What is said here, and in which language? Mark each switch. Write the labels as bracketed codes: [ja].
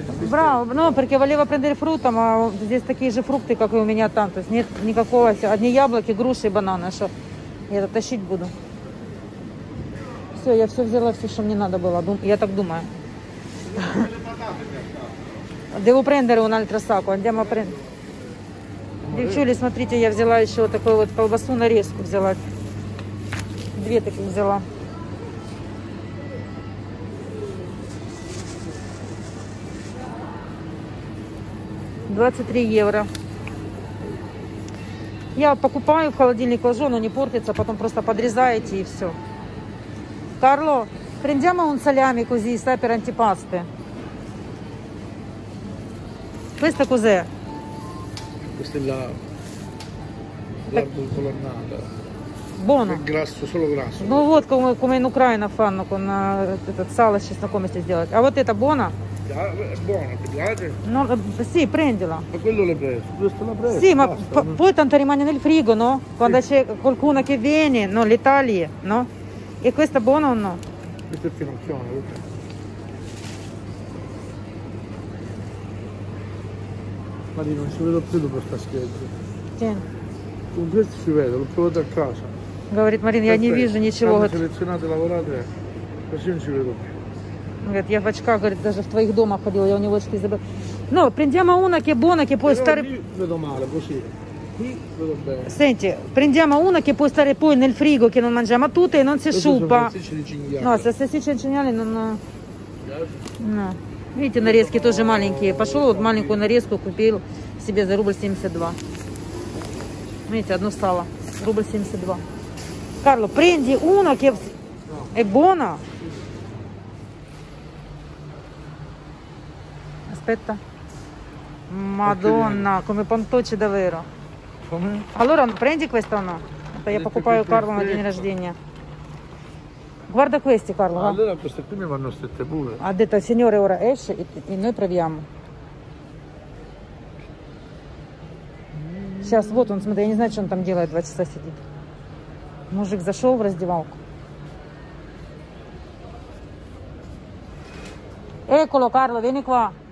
[ru] Брал, ну, [it] perché volevo prendere frutta, [ru] а здесь такие же фрукты, как и у меня там. То есть нет никакого, одни яблоки, груши и бананы, что я это тащить буду. Все, я все взяла, все, что мне надо было. Я так думаю. [it] Devo prendere un altro sacco, andiamo a prendere. [ru] Девчули, смотрите, я взяла еще вот такую вот колбасу, нарезку взяла. Две таких взяла. €23. Я покупаю, в холодильник ложу, но не портится, потом просто подрезаете и все. [it] Карло, prendiamo un salame così, sai, per antipasti. Questa cos'è? Questa è la l'arbol colonnata. Buono. È grasso, solo grasso. Ну вот, come in Ucraina fanno con этот сало с чесноком, если сделать. А вот это buono? Buono, ti piace? No, sì, prendila. Ma quello l'ho preso. Questo l'ho preso. Sì, ma poi tanto rimane nel frigo, no? Sì. Quando c'è qualcuno che viene, no, l'Italia, no? E questo è buono o no? Questo è finocchione. Mari, non ci vedo più dopo sta scheggia. Tieni. Con questo ci vedo, l'ho provato a casa. [ru] Говорит, Марина, я не вижу ничего. [it] Quando selezionate, lavorate, così non ci vedo più. [ru] Говорит, я в очках, говорит, даже в твоих домах ходила, я у него очки забыла. [it] Ну, prendiamo una che buona, che puoi stare... Vedo male, così. Qui vedo bene. Senti, prendiamo una che può stare poi nel frigo, che non mangiamo tutte e non si sciupa. No, se si dice il cinghiale, non... No. [ru] Видите, нарезки тоже маленькие. Пошел вот маленькую нарезку, купил себе за €1.72. Видите, одно сало. €1.72. [it] Карло, prendi una che è buona. Aspetta. Madonna, come pantocci davvero. Allora prendi questa o no? Aspetta, io [ru] покупаю Карло на день рождения. [it] Guarda questi, Carlo. Allora queste qui mi vanno strette pure. Ha detto il signore ora esce e noi proviamo. [ru] Сейчас вот он, смотри, я не знаю, что он там делает, 2 часа сидит. Мужик зашел в раздевалку. [it] Eccolo, Carlo, vieni qua.